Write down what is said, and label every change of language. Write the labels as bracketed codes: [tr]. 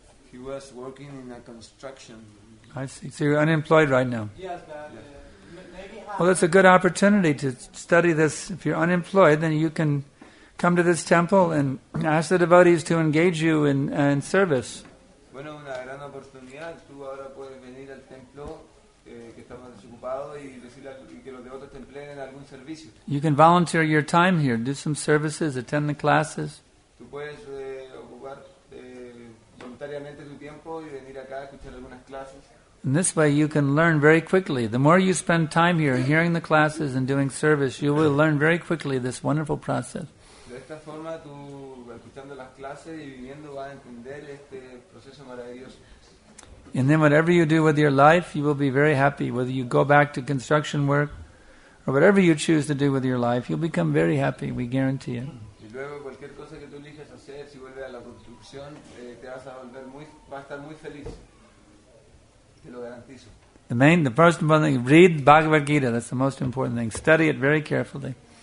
[en] He was working in a construction. I see. So you're unemployed right now. Yes, but maybe. Well, that's a good opportunity to study this. If you're unemployed, then you can come to this temple and ask the devotees to engage you in service. [es] Bueno, una gran oportunidad. Tú ahora puedes venir al templo que estamos desocupados y decirle que los devotos te empleen en algún servicio. [en] You can volunteer your time here, do some services, attend the classes. [es] Tú puedes ocupar voluntariamente tu tiempo y venir acá a escuchar algunas clases. [en] In this way you can learn very quickly. The more you spend time here hearing the classes and doing service, you will learn very quickly this wonderful process. [es] De esta forma, tú escuchando las clases y viviendo vas a entender este proceso maravilloso. [en] And then whatever you do with your life, you will be very happy. Whether you go back to construction work or whatever you choose to do with your life, you'll become very happy, we guarantee it. [es] Y luego cualquier cosa que tú elijas hacer, si vuelves a la construcción, te vas a volver muy, vas a estar muy feliz. [en] The first important thing, read Bhagavad Gita, that's the most important thing. Study it very carefully.